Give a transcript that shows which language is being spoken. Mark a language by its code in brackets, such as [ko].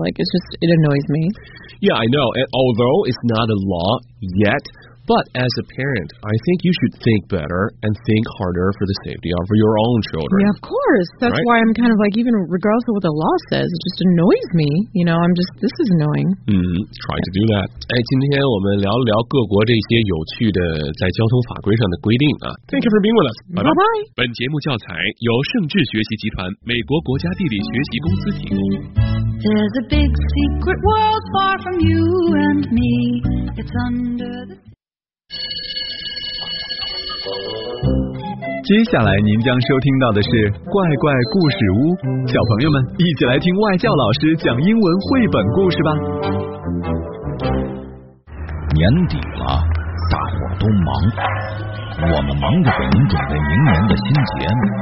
[en] Like, it's just... It annoys me. Yeah, I know. And although it's not a law yet, but as a parent, I think you should think better and think harder for the safety of your own children. Yeah, of course. That's right? Why I'm kind of like, even regardless of what the law says, it just annoys me. You know, I'm just, this is annoying. Mm-hmm. Try to do that. [zh] 哎，今天我们聊聊各国这些有趣的在交通法规上的规定啊。 [en] Thank you for being with us. Bye-bye. [zh] 本节目教材由盛智学习集团美国国家地理学习公司提供。 [en] There's a big secret world far from you and me. It's under the... [zh] 接下来您将收听到的是怪怪故事屋，小朋友们一起来听外教老师讲英文绘本故事吧。年底了，大伙都忙，我们忙着给您准备明年的新节目。